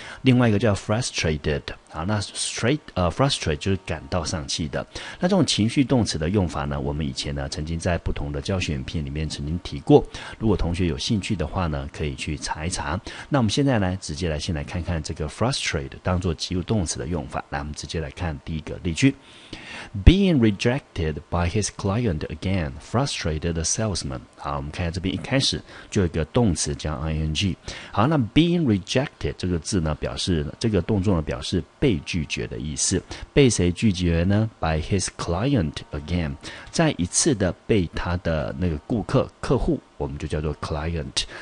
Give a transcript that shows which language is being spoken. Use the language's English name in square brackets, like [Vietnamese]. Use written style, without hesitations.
[Chinese] 另外一个叫 frustrated。好，那 frustrate 就是感到丧气的。那这种情绪动词的用法呢，我们以前呢曾经在不同的教学影片里面曾经提过，如果同学有兴趣的话呢，可以去查一查。那我们现在呢，直接来先来看看这个 frustrate 当作及物动词的用法。来，我们直接来看第一个例句。 [English] Being rejected by his client again frustrated the salesman。 [Chinese] 好，我们看一下这边一开始就有一个动词加 ing。好，那 [English] being rejected [Chinese] 这个字呢，表示这个动作呢表示被拒绝的意思，被谁拒绝呢？ [English] By his client again， [Chinese] 再一次的被他的那个顾客客户，我们就叫做 client。